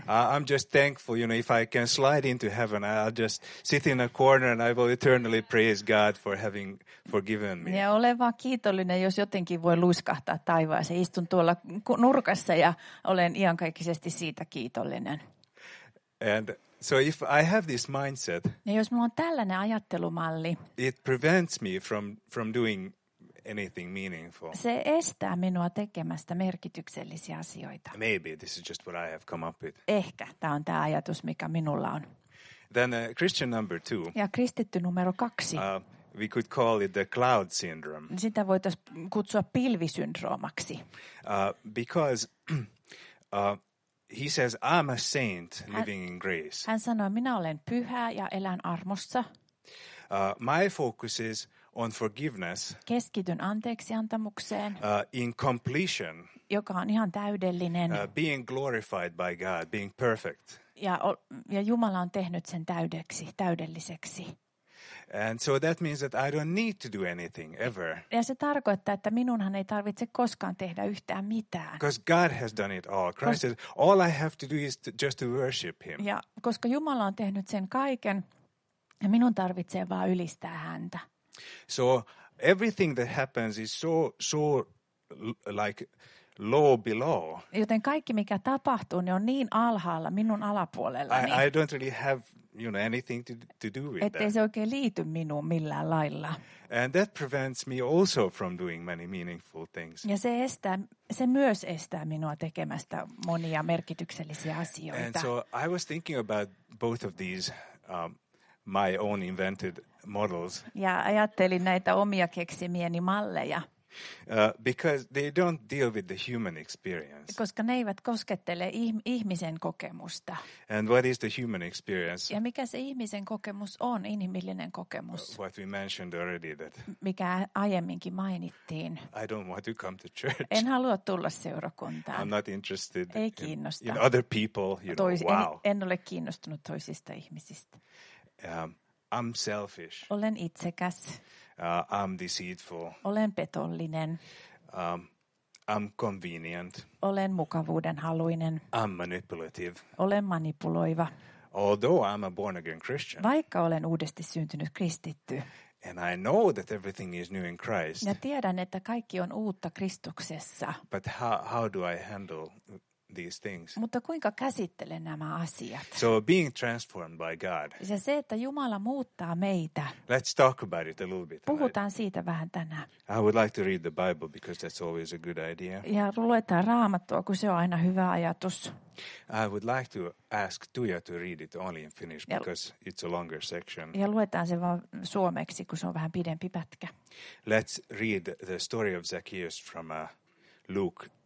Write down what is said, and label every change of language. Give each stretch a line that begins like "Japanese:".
English: I'm just thankful, you know, if I can slide into heaven, I'll just sit in a corner and I will eternally praise God for having forgiven me.
Finnish: Ja olen vaan kiitollinen, jos jotenkin voi luiskahtaa taivaaseen. Istun tuolla nurkassa ja olen iankaikkisesti siitä kiitollinen.
English: And so if I have this mindset.
Finnish: Ja jos mulla on tällainen ajattelumalli.
English: It prevents me from doing anything meaningful.
Finnish: Se estää minua tekemästä merkityksellisiä asioita.
English: Maybe this is just what I have come up with.
Finnish: Ehkä tämä on tämä ajatus, mikä minulla on.
English: Then Christian number two.
Finnish: Ja kristitty numero kaksi.
English: We could call it the cloud syndrome.
Finnish: Sitä voitaisiin kutsua pilvisyndroomaksi.
English: Because he says, I'm a saint living in grace.
Finnish: Hän sanoi, minä olen pyhä ja elän armossa.
English: My focus is on forgiveness.
Finnish: Keskityn anteeksiantamukseen.
English: In completion.
Finnish: Joka on ihan täydellinen.
English: Being glorified by God, being perfect.
Finnish: Ja Jumala on tehnyt sen täydelliseksi.
English: And so that means that I don't need to do anything ever.
Finnish: Ja se tarkoittaa, että minunhan ei tarvitse koskaan tehdä yhtään mitään.
English: Because God has done it all. Christ says, all I have to do is just to worship him.
Finnish: Ja koska Jumala on tehnyt sen kaiken, ja minun tarvitsee vaan ylistää häntä.
English: So everything that happens is so like low below.
Finnish: Joten kaikki mikä tapahtuu, ne on niin alhaalla minun alapuolella.
English: I don't really have anything to do with that.
Finnish: Ettei se oikein liity minuun millään lailla.
English: And that prevents me also from doing many meaningful things.
Finnish: Ja se myös estää minua tekemästä monia merkityksellisiä asioita.
English: And so I was thinking about both of these my own invented models.
Finnish: Ja ajattelin näitä omia keksimieni malleja.
English: Because they don't deal with the human experience.
Finnish: Koska ne eivät koskettele ihmisen kokemusta.
English: And what is the human experience?
Finnish: Ja mikä se ihmisen kokemus on, inhimillinen kokemus?
English: What we mentioned already that.
Finnish: Mikä aiemminkin mainittiin.
English: I don't want to come to church.
Finnish: En halua tulla seurakuntaan.
English: I'm not interested.
Finnish: Ei kiinnosta.
English: In other people, wow.
Finnish: En ole kiinnostunut toisista ihmisistä.
English: I'm selfish.
Finnish: Olen itsekäs.
English: I'm deceitful.
Finnish: Olen petollinen.
English: I'm convenient.
Finnish: Olen mukavuuden haluinen.
English: I'm manipulative.
Finnish: Olen manipuloiva.
English: Although I'm a born again Christian.
Finnish: Vaikka olen uudesti syntynyt kristitty.
English: And I know that everything is new in Christ.
Finnish: Ja tiedän, että kaikki on uutta Kristuksessa.
English: But how do I handle these things?
Finnish: Mutta kuinka käsittelen nämä asiat?
English: So being transformed by God.
Finnish: Ja se, että Jumala muuttaa meitä.
English: Let's talk about it a little bit.
Finnish: Puhutaan siitä vähän tänään.
English: I would like to read the Bible because that's always a good idea.
Finnish: Ja luetaan Raamattua, kun se on aina hyvä ajatus.
English: I would like to ask Tuija to read it only in Finnish because it's a longer section.
Finnish: Ja luetaan se vaan suomeksi, kun se on vähän pidempi pätkä.
English: Let's read the story of Zacchaeus from Luke.